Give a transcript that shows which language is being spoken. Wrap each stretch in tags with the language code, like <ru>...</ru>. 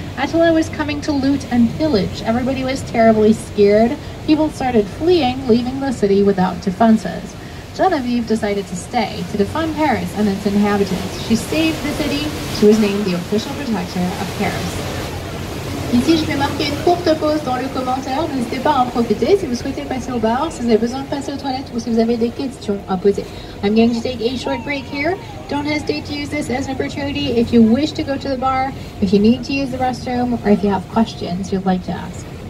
<en>Attila was coming to loot and pillage. Everybody was terribly scared. People started fleeing, leaving the city without defenses. Genevieve decided to stay, to defend Paris and its inhabitants. She saved the city. She was named the official protector of Paris.</en> <fr>Ici, je vais marquer une courte pause dans le commentaire. N'hésitez pas à en profiter si vous souhaitez passer au bar, si vous avez besoin de passer aux toilettes ou si vous avez des questions à poser.</fr> <en>I'm going to take a short break here. Don't hesitate to use this as an opportunity if you wish to go to the bar, if you need to use the restroom, or if you have questions you'd like to ask.</en>